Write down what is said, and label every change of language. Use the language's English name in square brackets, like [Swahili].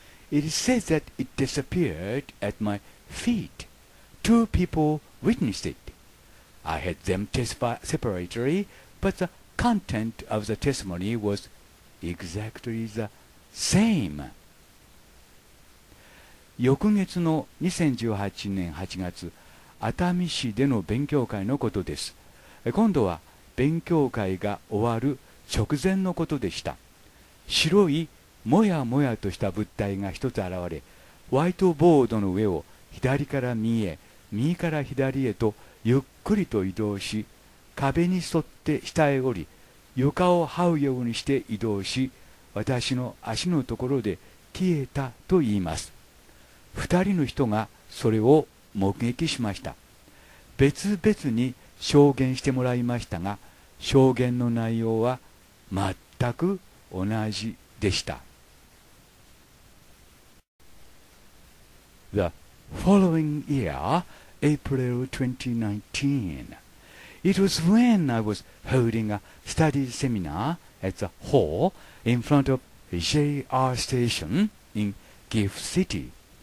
[English] It is said that it disappeared at my feet. Two people witnessed it. I had them testify separately, but the content of the testimony was exactly the same. [Japanese] 翌月の2018年8月、熱海市での勉強会のことです。今度は勉強会が終わる直前のことでした。白いもやもやとした物体が一つ現れ、ホワイトボードの上を左から右へ、右から左へとゆっくりと移動し、壁に沿って下へ降り、床を這うようにして移動し、私の足のところで消えたと言います。二人の人がそれを目撃しました。別々に証言してもらいましたが、証言の内容は全く同じでした。 [English] The following year, April 2019, it was when I was holding a study seminar at the hall in front of JR station in Gift City.